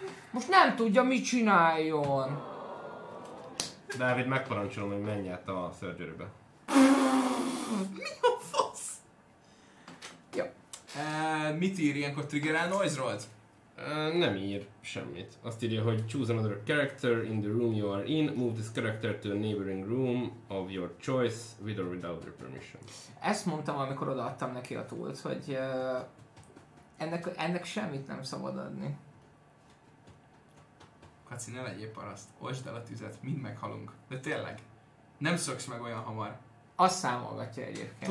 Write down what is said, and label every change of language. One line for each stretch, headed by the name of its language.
Hungarian: Most nem tudja, mit csináljon. Dávid, megparancsolom, hogy menj át a surgery-be. Mi a fasz? Jó. Mit ír ilyenkor Trigger-el Noise-ról? Nem ír semmit. Azt írja, hogy
English: choose another character in the room you are in, move this character to a neighboring room of your choice, with or without your permission.
Hungarian: Ezt mondtam, amikor odaadtam neki a toolt, hogy ennek semmit nem szabad adni. Kaci, ne legyél paraszt, osd el a tüzet, mind meghalunk. De tényleg, nem szöksz meg olyan hamar. Azt számolgatja egyébként.